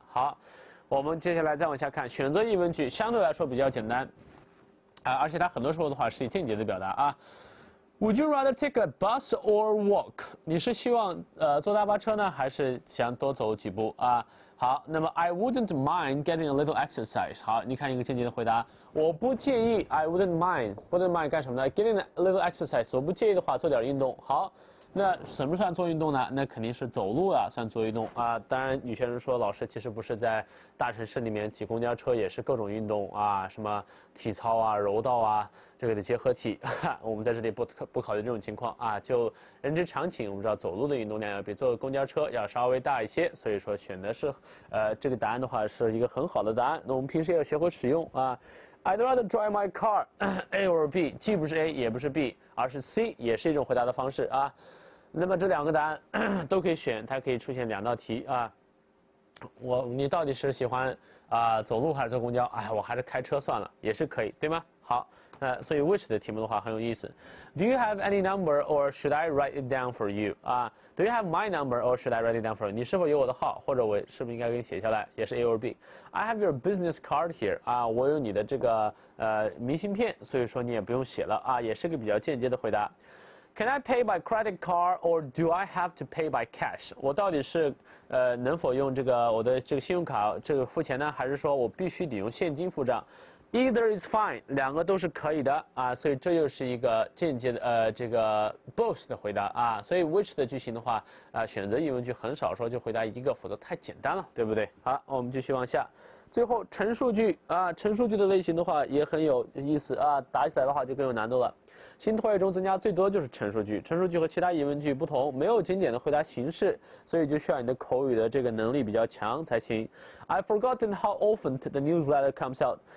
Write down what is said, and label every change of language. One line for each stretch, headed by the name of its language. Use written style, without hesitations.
Chinese: 好，我们接下来再往下看，选择疑问句相对来说比较简单，啊，而且它很多时候的话是以间接的表达啊。
English: Would you rather take a bus or walk?
Chinese: 你是希望坐大巴车呢，还是想多走几步啊？好，那么
English: I wouldn't mind getting a little exercise.
Chinese: 好，你看一个间接的回答，我不介意。
English: I wouldn't mind. Wouldn't mind
Chinese: 干什么呢
English: ？Getting a little exercise.
Chinese: 我不介意的话，做点运动。好，那什么算做运动呢？那肯定是走路啊，算做运动啊。当然，有些人说老师其实不是在大城市里面挤公交车也是各种运动啊，什么体操啊、柔道啊。这个的结合体，我们在这里不考虑这种情况啊，就人之常情，我们知道走路的运动量要比坐公交车要稍微大一些，所以说选的是，这个答案的话是一个很好的答案。那我们平时要学会使用啊。
English: I'd rather drive my car,
Chinese: A or B， 既不是 A 也不是 B， 而是 C， 也是一种回答的方式啊。那么这两个答案都可以选，它可以出现两道题啊。你到底是喜欢啊走路还是坐公交？哎，我还是开车算了，也是可以，对吗？好。所以 which 的题目的话很有意思。
English: Do you have any number or should I write it down for you? 啊、Do you have my number or should I write it down for you?
Chinese: 你是否有我的号或者我是不是应该给你写下来也是
English: A or B? I have your business card here.
Chinese: 啊、我有你的这个明信片所以说你也不用写了啊也是个比较间接的回答。
English: Can I pay by credit card or do I have to pay by cash?
Chinese: 我到底是能否用这个我的这个信用卡这个付钱呢还是说我必须得用现金付账
English: Either is fine，
Chinese: 两个都是可以的啊，所以这又是一个间接的这个 both 的回答啊，所以 which 的句型的话啊，选择疑问句很少说就回答一个，否则太简单了，对不对？好，我们继续往下，最后陈述句啊，陈述句的类型的话也很有意思啊，答起来的话就更有难度了。新拓页中增加最多就是陈述句，陈述句和其他疑问句不同，没有经典的回答形式，所以就需要你的口语的这个能力比较强才行。
English: I've forgotten how often the newsletter comes out。